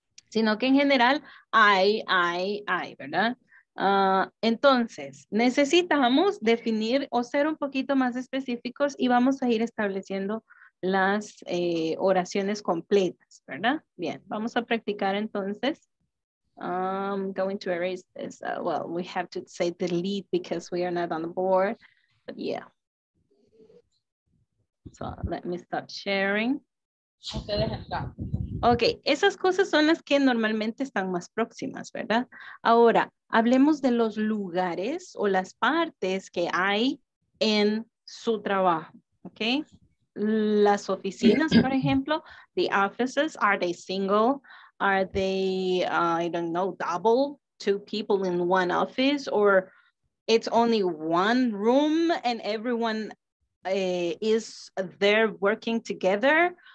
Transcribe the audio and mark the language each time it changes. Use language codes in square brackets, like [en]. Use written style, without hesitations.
[es] Sino que en general hay, ¿verdad? Entonces, necesitamos definir o ser un poquito más específicos y vamos a ir estableciendo las oraciones completas, ¿verdad? Bien, vamos a practicar entonces. [en] I'm going to erase this. Well, we have to say delete because we are not on the board. But yeah. So, let me stop sharing. [es] Ok, esas cosas son las que normalmente están más próximas, ¿verdad? Ahora, hablemos de los lugares o las partes que hay en su trabajo, ¿ok? Las oficinas, por ejemplo, [en] the offices, are they single? Are they, I don't know, double, two people in one office? Or it's only one room and everyone is there working together?